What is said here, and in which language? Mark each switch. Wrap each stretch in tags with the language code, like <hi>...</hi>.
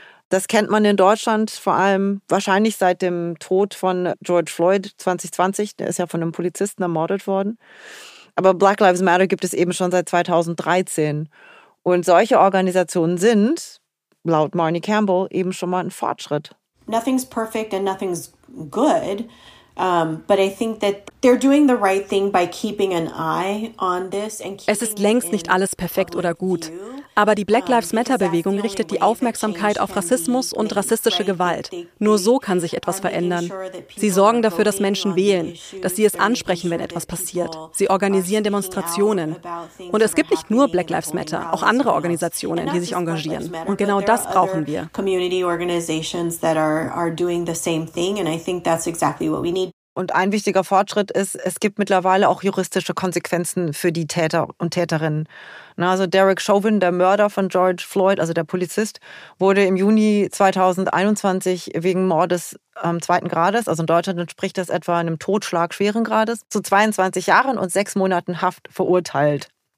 <de>Das kennt man in Deutschland vor allem wahrscheinlich seit dem Tod von George Floyd 2020. Der ist ja von einem Polizisten ermordet worden. Aber Black Lives Matter gibt es eben schon seit 2013. Und solche Organisationen sind, laut Marnie Campbell, eben schon mal ein Fortschritt.</de> <en>Nothing's perfect and nothing's good, but I think that they're doing the right thing by keeping an eye on this and keeping.</en> <de>Es ist längst nicht alles perfekt oder gut, aber die Black Lives Matter Bewegung richtet die Aufmerksamkeit auf Rassismus und rassistische Gewalt. Nur so kann sich etwas verändern. Sie sorgen dafür, dass Menschen wählen, dass sie es ansprechen, wenn etwas passiert. Sie organisieren Demonstrationen. Und es gibt nicht nur Black Lives Matter, auch andere Organisationen, die sich engagieren. Und genau das brauchen wir.</de> <en>Community organizations that are doing the same thing, and I think that's exactly what we need.</en> <de>Und ein wichtiger Fortschritt ist, es gibt mittlerweile auch juristische Konsequenzen für die Täter und Täterinnen. Also Derek Chauvin, der Mörder von George Floyd, also der Polizist, wurde im Juni 2021 wegen Mordes zweiten Grades, also in Deutschland entspricht das etwa einem Totschlag schweren Grades, zu 22 Jahren und 6 Monaten Haft verurteilt.</de>